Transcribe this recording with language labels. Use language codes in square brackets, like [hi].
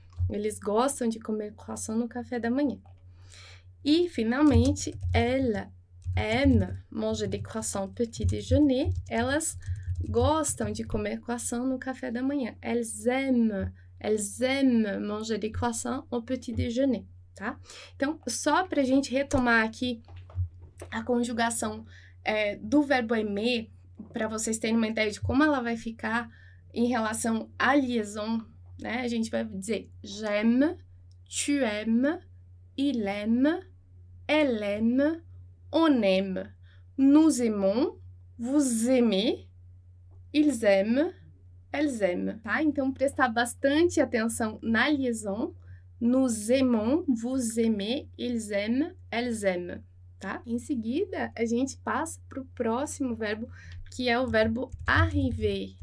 [pt] Eles gostam de comer croissant no café da manhã. [fr] E finalmente, elle aime manger des croissants au petit déjeuner. [pt] Elas gostam de comer croissant no café da manhã. [fr] Elles aiment manger des croissants au petit déjeuner, tá? [pt] Então, só para a gente retomar aqui a conjugação do verbo aimer, para vocês terem uma ideia de como ela vai ficar em relação à liaison, né? A gente vai dizer [fr] j'aime, tu aimes, il aime, elle aime, on aime. Nous aimons, vous aimez. Ils aiment, elles aiment. [pt] Tá? Então, prestar bastante atenção na liaison. [fr] Nous aimons, vous aimez, ils aiment, elles aiment. [pt] Tá? Em seguida, a gente passa para o próximo verbo, que é o verbo arriver.